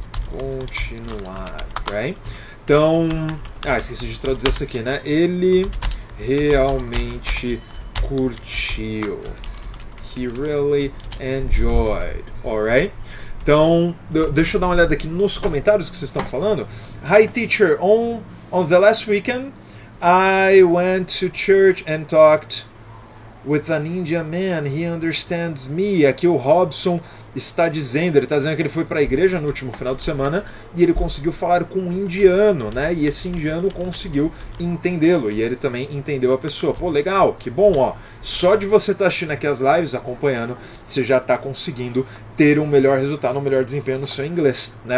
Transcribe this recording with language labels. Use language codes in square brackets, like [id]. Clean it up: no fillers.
[pt] Continuar, right? Então, esqueci de traduzir isso aqui, né? Ele realmente curtiu. [en] He really enjoyed, alright? [pt] Então, deixa eu dar uma olhada aqui nos comentários que vocês estão falando. [en] Hi teacher, on the last weekend, I went to church and talked with an Indian man, he understands me. [pt] Aqui o Robson está dizendo, ele está dizendo que ele foi para a igreja no último final de semana e ele conseguiu falar com um indiano, né? E esse indiano conseguiu entendê-lo e ele também entendeu a pessoa. Pô, legal, que bom, ó. Só de você estar assistindo aqui as lives, acompanhando, você já está conseguindo ter um melhor resultado, um melhor desempenho no seu inglês, né?